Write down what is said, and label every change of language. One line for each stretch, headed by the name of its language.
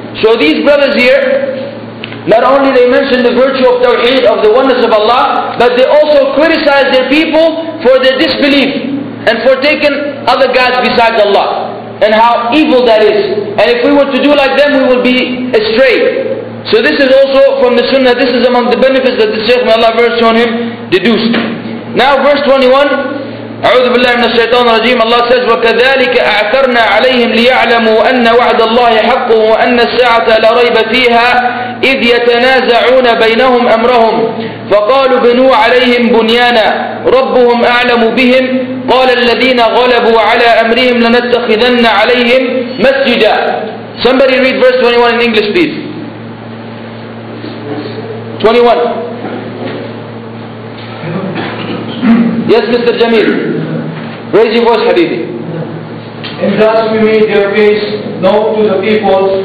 English: So these brothers here, not only they mention the virtue of Tawheed, of the oneness of Allah, but they also criticize their people for their disbelief, and for taking other gods besides Allah, and how evil that is. And if we were to do like them, we would be astray. So this is also from the Sunnah. This is among the benefits that the Shaykh, may Allah mercy on him, deduced. Now verse 21,
Arabic: أعوذ بالله من الشيطان الرجيم. الله says, وكذلك أعثرنا عليهم ليعلموا أن وعد الله حق وأن الساعة لا ريب فيها إذ يتنازعون بينهم أمرهم فقالوا بنوا عليهم بنيانا ربهم أعلم بهم قال الذين غلبوا على أمرهم لنتخذن عليهم مسجدا.
English: Somebody read verse 21 in English please. 21. Yes, Mr. Jamil. Raise your voice, Habibi. In blasphemy, their case, know to the people